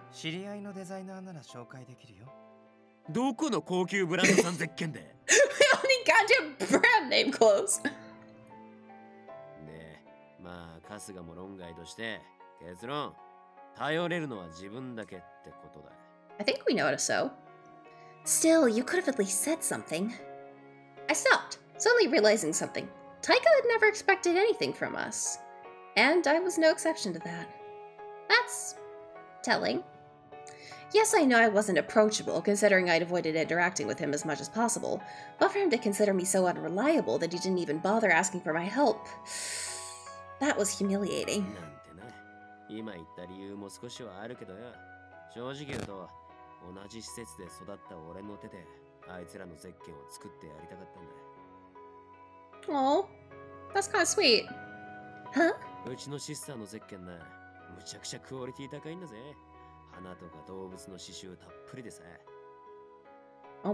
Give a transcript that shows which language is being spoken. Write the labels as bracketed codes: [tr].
[ja] 知り合いのデザイナーなら紹介できるよ。どこの高級ブランドさんゼッケンで? [en] We only got your brand name clothes. [ja] で、まあ、春日も論外として。結論、頼れるのは自分だけってことだ。 [en] I think we know how to sew. Still, you could have at least said something. I stopped, suddenly realizing something. Taika had never expected anything from us. And I was no exception to that. That's... telling. Yes, I know I wasn't approachable, considering I'd avoided interacting with him as much as possible. But for him to consider me so unreliable that he didn't even bother asking for my help... that was humiliating. [ja] 今言った理由も少しはあるけどよ。正直言うと、同じ施設で育った俺の手であいつらのゼッケンを作ってやりたかったんだ。Oh, [en] that's kind of sweet. Huh? [ja] うちのシスターのゼッケンな、むちゃくちゃクオリティ高いんだぜ。花とか動物の刺繍たっぷりでさ。Oh